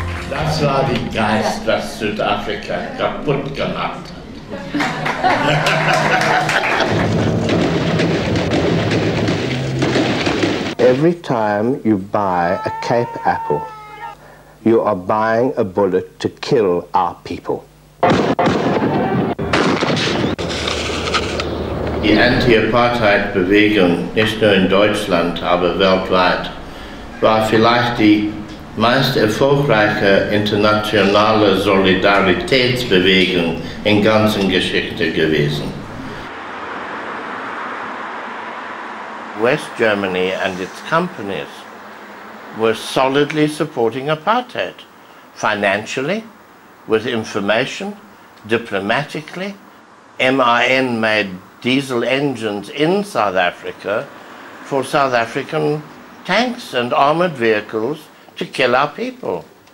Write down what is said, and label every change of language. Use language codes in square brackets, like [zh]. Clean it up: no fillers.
[de] Das war der Geist, das Südafrika kaputt gemacht hat. [en] Every time you buy a Cape apple, you are buying a bullet to kill our people. [de] Die Anti-Apartheid-Bewegung, nicht nur in Deutschland, aber weltweit, war vielleicht die meist erfolgreiche internationale Solidaritätsbewegung in ganzen Geschichte gewesen. [en] West Germany and its companies were solidly supporting apartheid, financially, with information, diplomatically. MIN made diesel engines in South Africa for South African tanks and armored vehicles to kill our people.